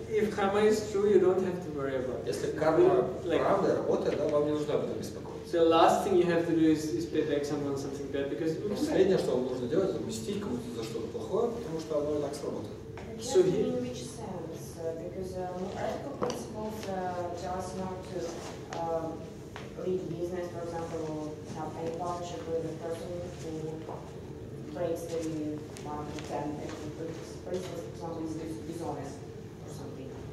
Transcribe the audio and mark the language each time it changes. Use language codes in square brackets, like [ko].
[en] If karma is true, you don't have to worry about it. [ru] Если карма правда работает, да, вам не нужно об этом беспокоиться. [en] The last thing you have to do is pay back someone something bad because. [ru] Последнее, что вам нужно делать, это мстить кому-то за что-то плохое, потому что оно так сработает. [en] So he. Which sense? Because ethical principles just not to lead business, for example, to pay partnership with a person who breaks the one of the ten principles, something is dishonest or something.